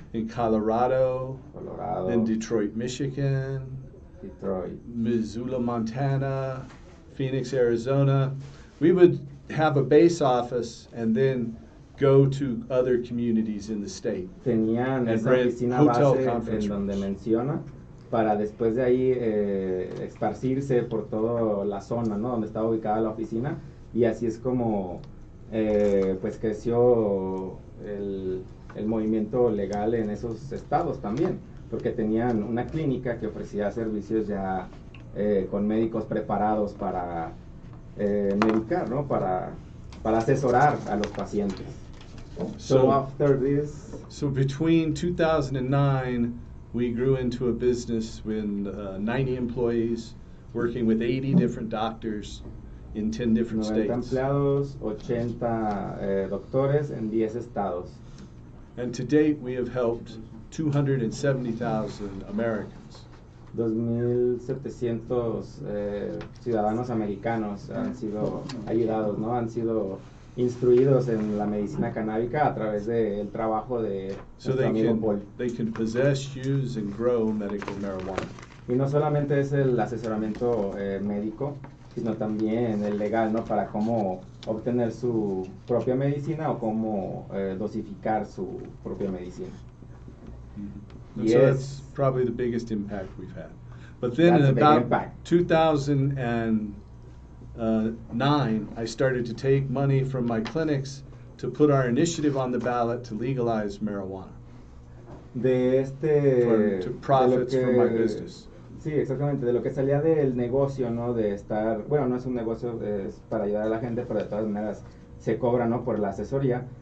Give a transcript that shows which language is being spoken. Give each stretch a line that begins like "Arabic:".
English: In Colorado. Colorado. Then Detroit, Michigan. Detroit. Missoula, Montana. Phoenix, Arizona. We would have a base office and then go to other communities in the state.
Spanish: Tenían esa oficina base en donde menciona. Para después de ahí esparcirse por toda la zona, ¿no?, donde estaba ubicada la oficina. Y así es como pues creció el movimiento legal en esos estados también. Porque tenían una clínica que ofrecía servicios ya con médicos preparados para medicar, ¿no?, para asesorar a los pacientes.
English: So after this... So between 2009... We grew into a business with 90 employees, working with 80 different doctors in 10 different states.
Spanish: 90 empleados, 80 doctores en 10 estados.
English: And to date, we have helped 270,000 Americans.
Spanish: 2,700 ciudadanos americanos han sido ayudados, ¿no? Han sido instruidos en la medicina canábica a través del trabajo de nuestro amigo Paul.
English: They can possess, use, and grow medical marijuana.
Spanish: Y no solamente es el asesoramiento médico, sino también el legal, ¿no? Para cómo obtener su propia medicina o cómo dosificar su propia medicina. Mm-hmm.
English: And so that's probably the biggest impact we've had. But then in about 2009, I started to take money from my clinics to put our initiative on the ballot to legalize marijuana.
Spanish: De este,
English: to profits from my business.
Spanish: Sí, exactamente, de lo que salía del negocio, ¿no? De estar, bueno, no es un negocio, es para ayudar a la gente, pero de todas maneras se cobra, ¿no? Por la asesoría.